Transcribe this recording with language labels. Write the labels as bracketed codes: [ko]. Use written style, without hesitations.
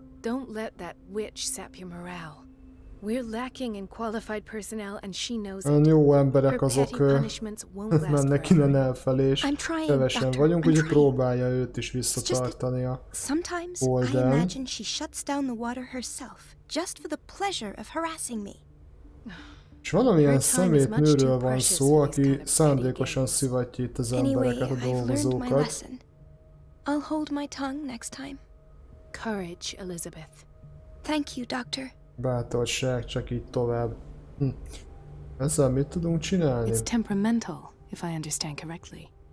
[en] Don't let that witch sap your morale. We're lacking in qualified personnel and she knows it. [hu] Jó emberek azok, mert neki nem elfelé, és kevesen vagyunk, úgyhogy próbálja őt is visszatartani a Holden. [en] I imagine she shuts down the water herself. Just for the pleasure of harassing me. [hu] És valamilyen szemétnőről van szó, aki szándékosan szivatja itt az embereket, a dolgozókat. [en] I'll hold my tongue next time. Courage, Elizabeth. Thank you, doctor. [hu] Bátorság, csak így tovább. Ezzel mit tudunk csinálni? [en] It's temperamental, if I understand correctly.